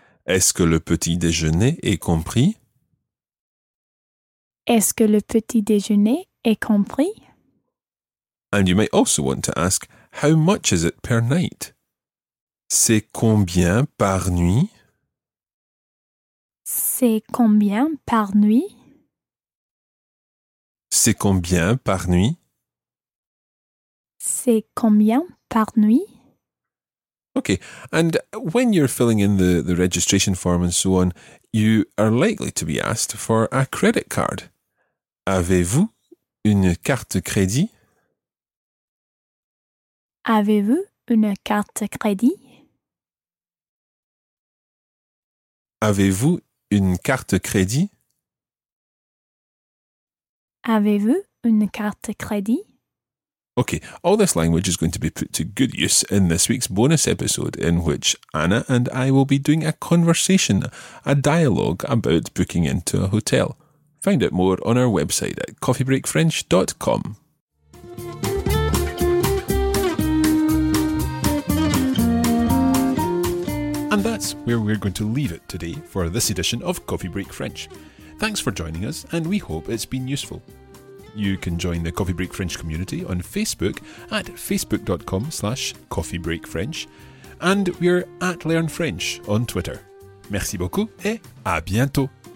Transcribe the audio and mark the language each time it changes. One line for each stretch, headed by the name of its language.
French: Est-ce que le petit déjeuner est compris? Est-ce que le petit déjeuner est compris?
English: And you may also want to ask, how much is it per night?
French: C'est combien par nuit? C'est combien par nuit? C'est combien par nuit? C'est combien par nuit?
English: Okay, and when you're filling in the registration form and so on, you are likely to be asked for a credit card.
French: Avez-vous une carte crédit? Avez-vous une carte crédit? Avez-vous une carte crédit? Avez-vous une carte de crédit?
English: Okay, all this language is going to be put to good use in this week's bonus episode, in which Anna and I will be doing a conversation, a dialogue about booking into a hotel. Find out more on our website at coffeebreakfrench.com. And that's where we're going to leave it today for this edition of Coffee Break French. Thanks for joining us, and we hope it's been useful. You can join the Coffee Break French community on Facebook at facebook.com/coffeebreakfrench, and we're at Learn French on Twitter.
French: Merci beaucoup et à bientôt!